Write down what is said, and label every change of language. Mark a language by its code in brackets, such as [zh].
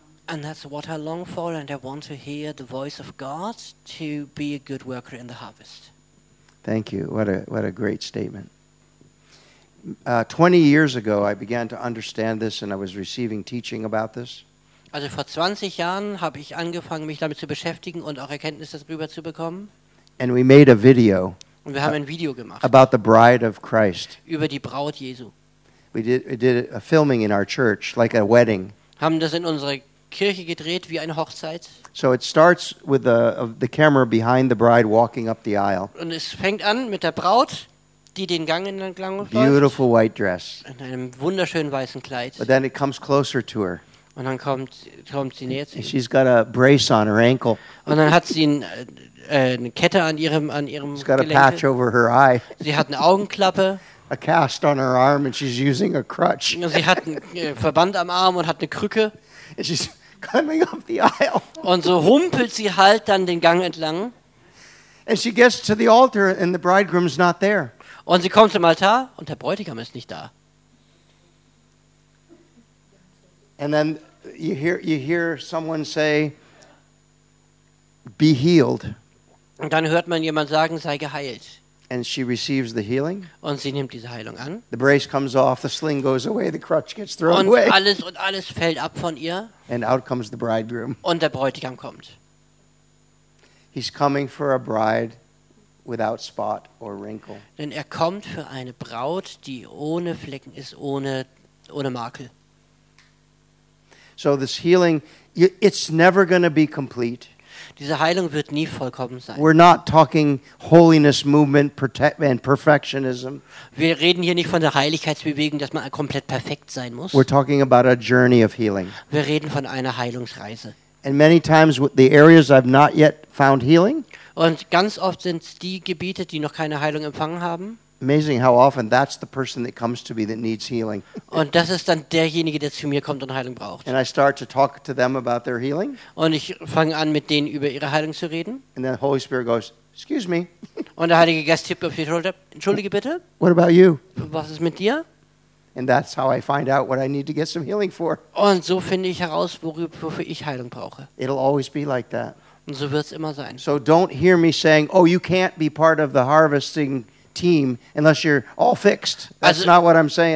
[en] And that's what I long for, and I want to hear the voice of God to be a good worker in the harvest. Thank you. What a great statement. 20 years ago, I began to understand this, and I was receiving teaching about this. [de] Also vor 20 Jahren habe ich angefangen, mich damit zu beschäftigen und auch Erkenntnisse darüber zu bekommen. [en] And we made a video. [de] Und wir haben ein Video gemacht. [en] About the bride of Christ. [de] Über die Braut Jesu. [en] We did a filming in our church, like a wedding. [de] Haben das in unsere Kirche gedreht wie eine Hochzeit. [en] So it starts with the camera behind the bride walking up the aisle. [de] Und es fängt an mit der Braut, die den Gang entlang läuft. [en] Beautiful white dress. [de] In einem wunderschönen weißen Kleid. [en] But then it comes closer to her. [de] Und dann kommt sie näher zu ihr. [en] She's got a brace on her ankle. [de] Und dann hat sie eine Kette an ihrem Gelenk. [en] She's got a patch over her eye. [de] Sie hat eine Augenklappe. [en] A cast on her arm and she's using a crutch. [de] Und sie hat einen Verband am Arm und hat eine Krücke. [en] And she's coming up the aisle. [de] Und so humpelt sie halt dann den Gang entlang. [en] And she gets to the altar and the bridegroom's not there. [de] Und sie kommt zum Altar und der Bräutigam ist nicht da. [en] And then you hear someone say, "Be healed." [de] Und dann hört man jemand sagen, sei geheilt. [en] And she receives the healing. [de] Und sie nimmt diese Heilung an. [en] The brace comes off, the sling goes away, the crutch gets thrown away. [de] Und alles fällt ab von ihr. [en] And out comes the bridegroom. [de] Und der Bräutigam kommt. [en] He's coming for a bride without spot or wrinkle. [de] Denn er kommt für eine Braut, die ohne Flecken ist, ohne Makel. [en] So this healing, it's never going to be complete. [de] Diese Heilung wird nie vollkommen sein. [en] We're not talking holiness movement and perfectionism. [de] Wir reden hier nicht von der Heiligkeitsbewegung, dass man komplett perfekt sein muss. [en] We're talking about a journey of healing. [de] Wir reden von einer Heilungsreise. [en] And many times the areas I've not yet found healing. [de] Und ganz oft sind es die Gebiete, die noch keine Heilung empfangen haben. [en] Amazing how often that's the person that comes to me that needs healing. [de] Und das ist dann derjenige, der zu mir kommt und Heilung braucht. [en] And I start to talk to them about their healing. [de] Und ich fange an, mit denen über ihre Heilung zu reden. [en] And the Holy Spirit goes, "Excuse me." [de] Und der Heilige Geist tippt auf die Schulter, "Entschuldige bitte." [en] What about you? [de] Was ist mit dir? [en] And that's how I find out what I need to get some healing for. [de] Und so finde ich heraus, wofür ich Heilung brauche. [en] It'll always be like that. [de] Und so wird's immer sein. [en] So don't hear me saying, "Oh, you can't be part of the harvesting team unless you're all fixed." That's not what I'm saying.